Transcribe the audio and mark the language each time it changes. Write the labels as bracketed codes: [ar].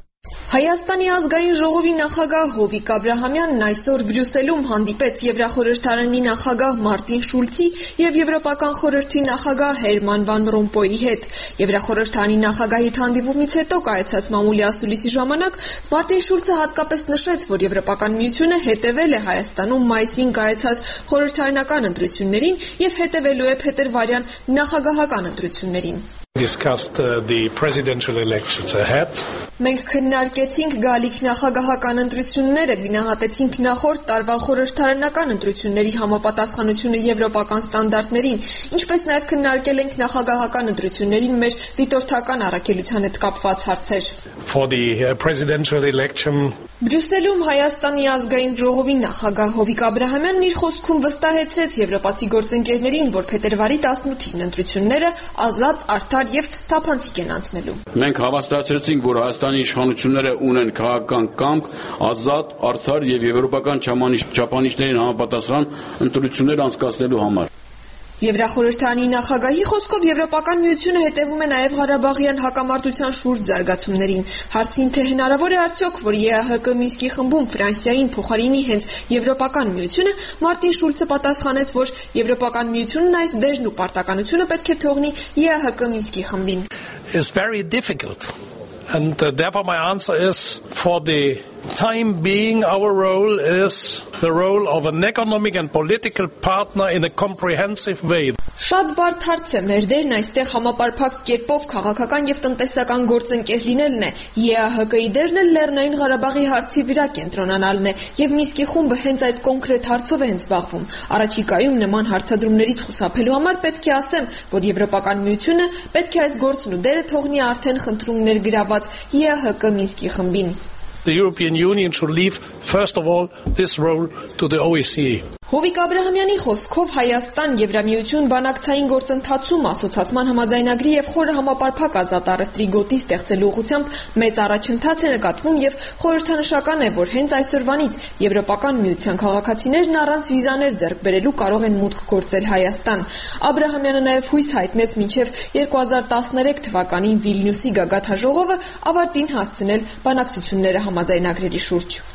[hy] Հայաստանի ազգային ժողովի նախագահ Հովիկ Աբրահամյանն այսօր Բրյուսելում հանդիպեց Եվրախորհրդարանի նախագահ Մարտին Շուլցի և Եվրոպական խորհրդի նախագահ Հերման վան Ռոմպոյի հետ։ Եվրախորհրդարանի նախագահի հանդիպումից հետո կայացած մամուլի ասուլիսի ժամանակ Մարտին Շուլցը հատկապես նշեց, որ Եվրոպական միությունը հետևել է Հայաստանում մայիսին կայացած խորհրդարանական ընտրություններին և հետևելու է փետրվարյան նախագահական ընտրություններին։ [en] Discussed the presidential elections ahead. [hy] Մենք քննարկեցինք գալիք նախագահական ընտրությունները, գնահատեցինք նախորդ տարվա խորհրդարանական ընտրությունների համապատասխանությունը եվրոպական ստանդարտներին, ինչպես նաև քննարկել ենք նախագահական ընտրություններին մեր դիտորդական առաքելության հետ կապված հարցեր։ [en] For the presidential election. [hy] Բրյուսելում Հայաստանի ազգային ժողովի նախագահ Հովիկ Աբրահամյանն իր խոսքում վստահեցրեց եվրոպացի գործընկերներին, որ փետրվարի 18-ին ընտրությունները ազատ, արդար և թափանցիկ են անցնելու։ Մենք հավաստացրեցինք, որ Հայաստանի իշխանությունները ունեն քաղաքական կամք, ազատ, արդար և եվրոպական չափանիշներին համապատասխան ընտրություններ անցկացնելու համար։ Եվրախորհրդարանի նախագահի խոսքով Եվրոպական միությունը հետևում է նաև Ղարաբաղյան հակամարտության շուրջ զարգացումներին։ Հարցին, թե հնարավոր է արդյոք, որ ԵԱՀԿ Մինսկի խմբում Ֆրանսիային փոխարինի հենց Եվրոպական միությունը, Մարտին Շուլցը պատասխանեց, որ Եվրոպական միությունն այս դերն ու պարտականությունը պետք է թողնի ԵԱՀԿ Մինսկի խմբին։ [en] It's very difficult. And therefore my answer is, for the time being, our role is the role of an economic and political partner in a comprehensive way. [hy] Շատ բարդ հարց է, մեր դերն այստեղ համապարփակ կերպով քաղաքական և տնտեսական գործընկեր լինելն է, ԵԱՀԿ-ի դերն էլ Լեռնային Ղարաբաղի հարցի վրա կենտրոնանալն է, և Մինսկի խումբը հենց այդ կոնկրետ հարցով է զբաղվում։ Առաջիկայում նման հարցադրումներից խուսափելու համար պետք է ասեմ, որ Եվրոպական միությունը պետք է այս գործն ու դերը թողնի արդեն խնդրում ներգրաված ԵԱՀԿ Մինսկի խմբին։ [en] The European Union should leave, first of all, this role to the OSCE. [hy] Հովիկ Աբրահամյանի խոսքով Հայաստան-Եվրամիություն բանակցային գործընթացում ասոցացման համաձայնագրի և խորը համապարփակ ազատ առևտրի գոտի ստեղծելու ուղղությամբ մեծ առաջընթաց է նկատվում, և խորհրդանշական է, որ հենց այսօրվանից Եվրոպական միության քաղաքացիներն առանց վիզաներ ձեռք բերելու կարող են մուտք գործել Հայաստան։ Աբրահամյանը նաև հույս հայտնեց մինչև 2013 թվականին Վիլնյուսի գագաթաժողովը ավարտին հասցնել բանակցությունները համաձայնագրերի շուրջ։